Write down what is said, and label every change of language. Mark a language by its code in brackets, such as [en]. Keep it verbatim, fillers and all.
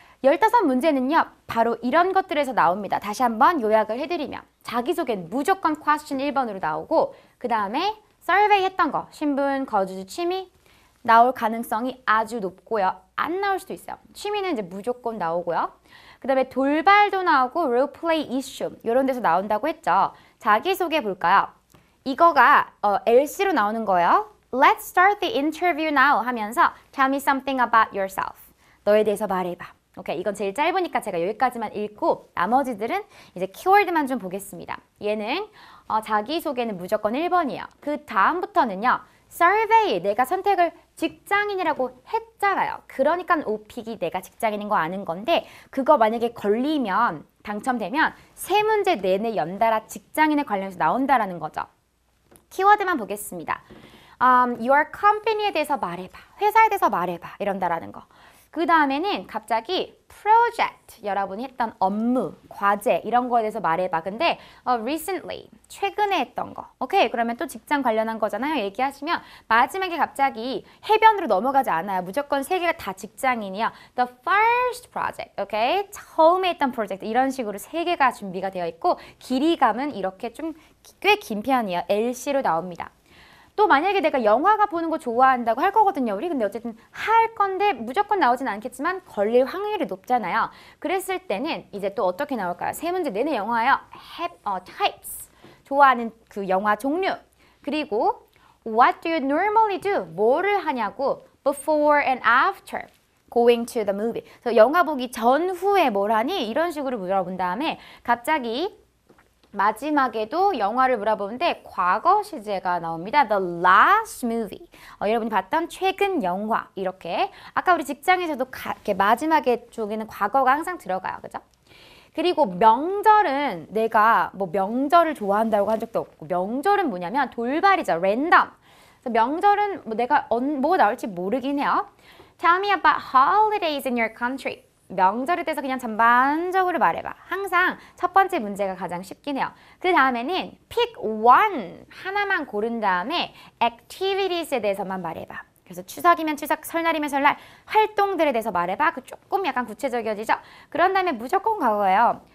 [ko] 열다섯 문제는요. 바로 이런 것들에서 나옵니다. 다시 한번 요약을 해드리면 자기소개는 무조건 퀘스천 일 번으로 나오고 그 다음에 서베이 했던 거 신분, 거주, 취미 나올 가능성이 아주 높고요. 안 나올 수도 있어요. 취미는 이제 무조건 나오고요. 그 다음에 돌발도 나오고 롤플레이 이슈 이런 데서 나온다고 했죠. 자기소개 볼까요? 이거가 어, 엘씨로 나오는 거예요. [en] Let's start the interview now [ko] 하면서 [en] Tell me something about yourself. [ko] 너에 대해서 말해봐. 오케이, 이건 제일 짧으니까 제가 여기까지만 읽고 나머지들은 이제 키워드만 좀 보겠습니다. 얘는 어, 자기소개는 무조건 일 번이에요. 그 다음부터는요. 서베이 내가 선택을 직장인이라고 했잖아요. 그러니까 오픽이 내가 직장인인 거 아는 건데 그거 만약에 걸리면 당첨되면 세 문제 내내 연달아 직장인에 관련해서 나온다라는 거죠. 키워드만 보겠습니다. Um, your company에 대해서 말해봐. 회사에 대해서 말해봐. 이런다라는 거. 그 다음에는 갑자기 프로젝트, 여러분이 했던 업무, 과제 이런 거에 대해서 말해봐. 근데 어, recently, 최근에 했던 거. 오케이, 그러면 또 직장 관련한 거잖아요. 얘기하시면 마지막에 갑자기 해변으로 넘어가지 않아요. 무조건 세 개가 다 직장인이요. [en] The first project, 오케이? [ko] 처음에 했던 프로젝트 이런 식으로 세 개가 준비가 되어 있고 길이감은 이렇게 좀 꽤 긴 편이에요. 엘씨로 나옵니다. 또 만약에 내가 영화가 보는 거 좋아한다고 할 거거든요. 우리 근데 어쨌든 할 건데 무조건 나오진 않겠지만 걸릴 확률이 높잖아요. 그랬을 때는 이제 또 어떻게 나올까요? 세 문제 내내 영화예요. Have, 어, types, 좋아하는 그 영화 종류. 그리고 [en] what do you normally do? [ko] 뭐를 하냐고 [en] before and after. going to the movie. [ko] 그래서 영화 보기 전후에 뭘 하니? 이런 식으로 물어본 다음에 갑자기 마지막에도 영화를 물어보는데 과거 시제가 나옵니다. [en] The last movie. [ko] 어, 여러분이 봤던 최근 영화. 이렇게. 아까 우리 직장에서도 가, 이렇게 마지막에 쪽에는 과거가 항상 들어가요. 그죠? 그리고 명절은 내가 뭐 명절을 좋아한다고 한 적도 없고 명절은 뭐냐면 돌발이죠. 랜덤. 그래서 명절은 뭐 내가 언, 뭐 나올지 모르긴 해요. [en] Tell me about holidays in your country. [ko] 명절에 대해서 그냥 전반적으로 말해봐. 항상 첫 번째 문제가 가장 쉽긴 해요. 그 다음에는 [en] pick one [ko] 하나만 고른 다음에 activities에 대해서만 말해봐. 그래서 추석이면 추석, 설날이면 설날, 활동들에 대해서 말해봐. 그 조금 약간 구체적이어지죠? 그런 다음에 무조건 과거예요.